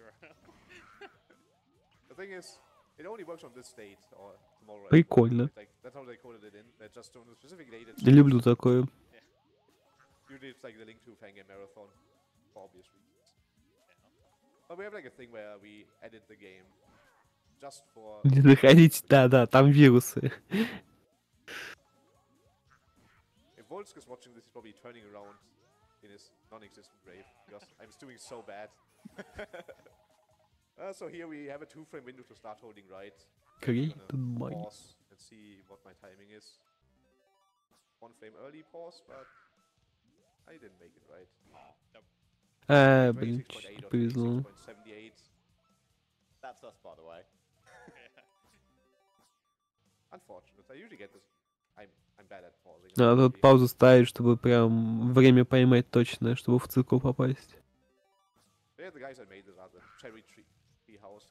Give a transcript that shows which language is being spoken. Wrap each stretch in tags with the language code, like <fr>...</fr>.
<en>The thing is, it only works on this date or tomorrow.</en> <ru>Прикольно.</ru> <en>That's how they coded it in. They just on a specific date.</en> <ru>Я люблю такое.</ru> <en>It's like the link to Fangame Marathon, for obvious reasons. But we have like a thing where we edit the game just for...</en> <ru>Не заходите, да-да, там вирусы.</ru> <en>If Volsk is watching this, he's probably turning around in his non-existent grave, because I'm doing so bad. So here we have a two-frame window to start holding right. Create a pause and see what my timing is. One frame early pause, but... I didn't make it right.</en> <ru>Блин, чуть-чуть повезло.</ru> <en>That's us, by the way. Unfortunate. I usually get this. I'm bad at pausing.</en> <ru>Надо тут паузу ставить, чтобы прям время поймать точное, чтобы в цикл попасть.</ru> <en>The guys that made this are the cherry tree house.</en>